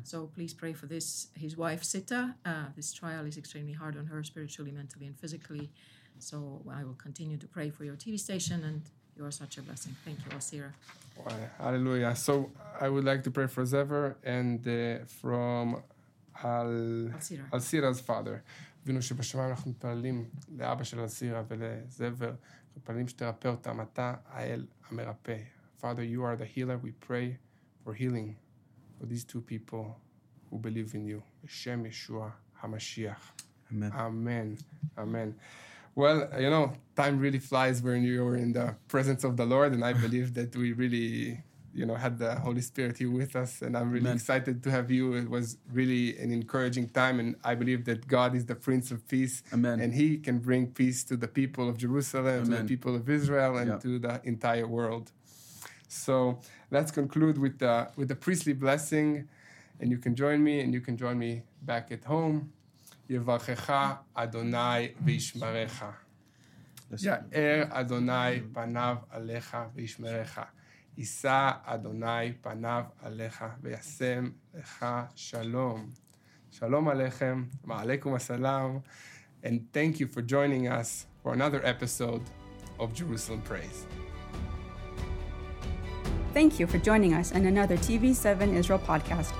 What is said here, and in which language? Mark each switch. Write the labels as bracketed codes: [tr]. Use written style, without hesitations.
[en] So please pray for this, his wife, Sita. This trial is extremely hard on her spiritually, mentally, and physically. So I will continue to pray for your TV station and you are such a blessing. Thank you, Asira. Hallelujah. So I would like to pray for Zever and from Alcira's father. [he] אבינו שבשמיים אנחנו מתפללים לאבא של Alcira ולזבר, מתפללים שתרפא אותם, אתה האל המרפא. [en] Father, you are the healer. We pray for healing for these two people who believe in you. [he] בשם ישוע המשיח. [en] Amen. Amen. Amen. Well, you know, time really flies when you're in the presence of the Lord. And I believe that we really, you know, had the Holy Spirit here with us. And I'm really excited to have you. It was really an encouraging time. And I believe that God is the Prince of Peace. Amen. And he can bring peace to the people of Jerusalem, Amen. To the people of Israel, and to the entire world. So let's conclude with the priestly blessing. And you can join me, and you can join me back at home. [he] יברכך אדוני וישמרך. יאר אדוני פניו עליך וישמרך. ישא אדוני פניו עליך וישם לך שלום. שלום עליכם, מעליכם הסלם. [en] And thank you for joining us for another episode of Jerusalem Praise. Thank you for joining us on another TV7 Israel podcast.